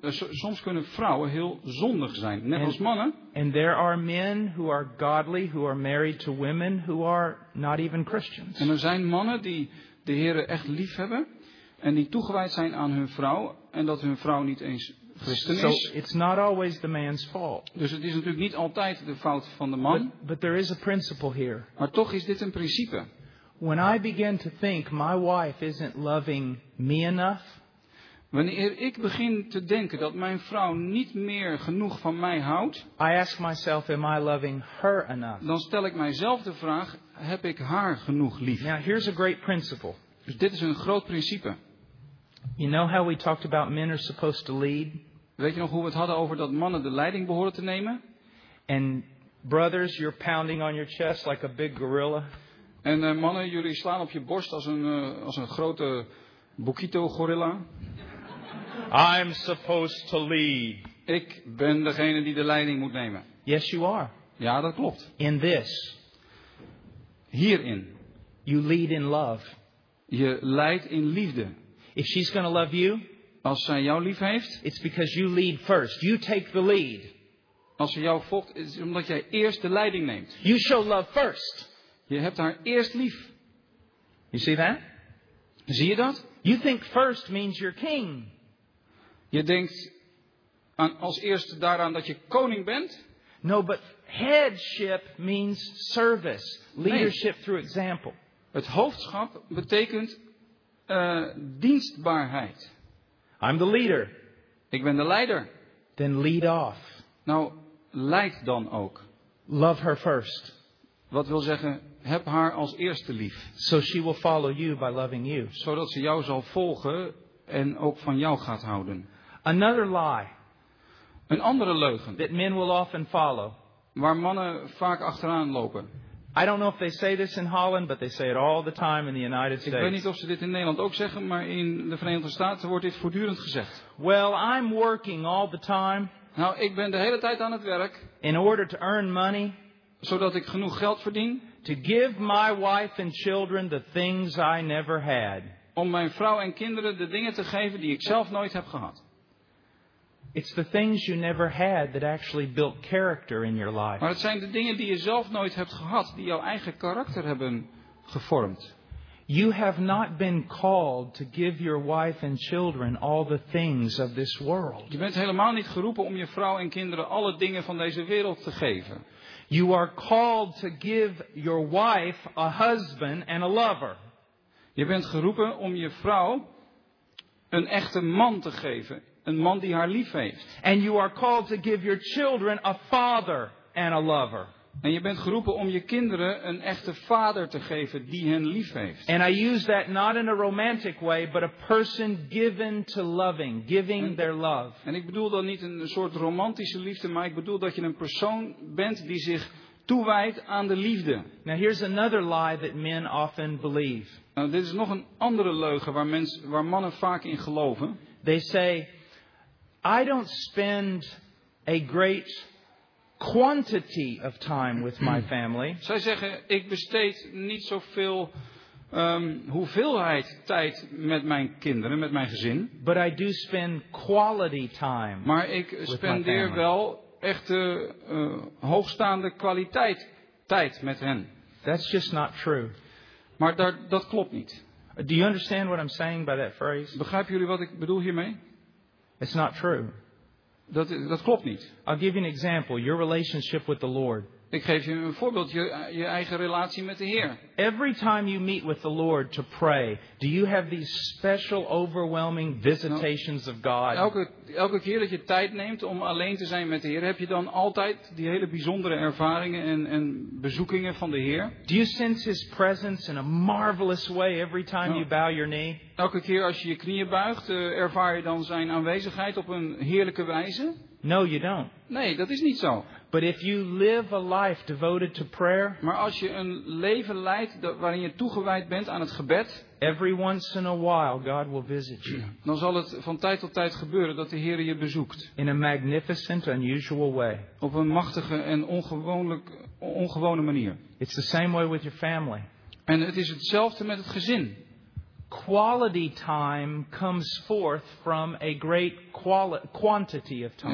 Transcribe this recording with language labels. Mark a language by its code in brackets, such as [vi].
[nl] Soms kunnen vrouwen heel zondig zijn, net als mannen. [en] And there are men who are godly, who are married to women who are not even Christians. [nl] En er zijn mannen die de Heere echt lief hebben en die toegewijd zijn aan hun vrouw en dat hun vrouw niet eens Christen is. [en] So it's not always the man's fault. [nl] Dus het is natuurlijk niet altijd de fout van de man. [en] But there is a principle here. [nl] Maar toch is dit een principe. [en] When I begin to think my wife isn't loving me enough, [nl] wanneer ik begin te denken dat mijn vrouw niet meer genoeg van mij houdt, [en] I ask myself, am I loving her enough? [nl] Dan stel ik mijzelf de vraag, heb ik haar genoeg lief? [en] Now here's a great principle. [nl] Dus dit is een groot principe. [en] You know how we talked about men are supposed to lead? [nl] Weet je nog hoe we het hadden over dat mannen de leiding behoren te nemen? [en] And brothers, you're pounding on your chest like a big gorilla. [nl] En mannen, jullie slaan op je borst als een grote boekito gorilla. [en] I'm supposed to lead. [nl] Ik ben degene die de leiding moet nemen. [en] Yes, you are. [nl] Ja, dat klopt. [en] In this. [nl] Hierin. [en] You lead in love. [nl] Je leidt in liefde. [en] If she's gonna love you, [nl] als zij jou lief heeft, [en] it's because you lead first. You take the lead. [nl] Als ze jou volgt, is omdat jij eerst de leiding neemt. [en] You show love first. [nl] Je hebt haar eerst lief. [en] You see that? [nl] Zie je dat? [en] You think first means you're king. [nl] Je denkt als eerste daaraan dat je koning bent. [en] No, but headship means service. Leadership through example. [nl] Het hoofdschap betekent dienstbaarheid. [en] I'm the leader. [nl] Ik ben de leider. [en] Then lead off. [nl] Nou, leid dan ook. [en] Love her first. [nl] Wat wil zeggen, heb haar als eerste lief. [en] So she will follow you by loving you. [nl] Zodat ze jou zal volgen en ook van jou gaat houden. [en] Another lie. [nl] Een andere leugen. [en] That men will often follow. [nl] Waar mannen vaak achteraan lopen. [en] I don't know if they say this in Holland, but they say it all the time in the United States. [nl] Ik weet niet of ze dit in Nederland ook zeggen, maar in de Verenigde Staten wordt dit voortdurend gezegd. [en] Well, I'm working all the time. [nl] Nou, ik ben de hele tijd aan het werk. [en] In order to earn money. [nl] Zodat ik genoeg geld verdien. [en] To give my wife and children the things I never had. [nl] Om mijn vrouw en kinderen de dingen te geven die ik zelf nooit heb gehad. [en] It's the things you never had that actually built character in your life. [nl] Maar het zijn de dingen die je zelf nooit hebt gehad, die jouw eigen karakter hebben gevormd. [en] You have not been called to give your wife and children all the things of this world. [nl] Je bent helemaal niet geroepen om je vrouw en kinderen alle dingen van deze wereld te geven. [en] You are called to give your wife a husband and a lover. [nl] Je bent geroepen om je vrouw een echte man te geven, een man die haar lief heeft. [en] And you are called to give your children a father and a lover. [nl] En je bent geroepen om je kinderen een echte vader te geven die hen lief heeft. [en] And I use that not in a romantic way, but a person given to loving, giving their love. [nl] En ik bedoel dan niet een soort romantische liefde, maar ik bedoel dat je een persoon bent die zich toewijdt aan de liefde. [en] Now here's another lie that men often believe. [nl] Nou, dit is nog een andere leugen waar mannen vaak in geloven. [en] They say, I don't spend a great quantity of time with my family. [nl] Zij zeggen, ik besteed niet zoveel hoeveelheid tijd met mijn kinderen, met mijn gezin. [en] But I do spend quality time. [nl] Maar ik spendeer wel echte hoogstaande kwaliteit tijd met hen. [en] That's just not true. [nl] Maar dat klopt niet. [en] Do you understand what I'm saying by that phrase? [nl] Begrijpen jullie wat ik bedoel hiermee? [en] It's not true. [nl] Dat klopt niet. [en] I'll give you an example. Your relationship with the Lord. [nl] Ik geef je een voorbeeld. Je eigen relatie met de Heer. [en] Every time you meet with the Lord to pray, do you have these special overwhelming visitations of God? [nl] Elke keer dat je tijd neemt om alleen te zijn met de Heer, heb je dan altijd die hele bijzondere ervaringen en bezoekingen van de Heer? [en] Do you sense His presence in a marvelous way every time you bow your knee? [nl] Elke keer als je je knieën buigt, ervaar je dan zijn aanwezigheid op een heerlijke wijze? [en] No, you don't. [nl] Nee, dat is niet zo. [en] But if you live a life devoted to prayer, [nl] maar als je een leven leidt waarin je toegewijd bent aan het gebed, [en] every once in a while God will visit you. [nl] Dan zal het van tijd tot tijd gebeuren dat de Heer je bezoekt. [en] In a magnificent, unusual way. [nl] Op een machtige en ongewone manier. [en] It's the same way with your family. [nl] En het is hetzelfde met het gezin. [en] Quality time comes forth from a great quantity of time.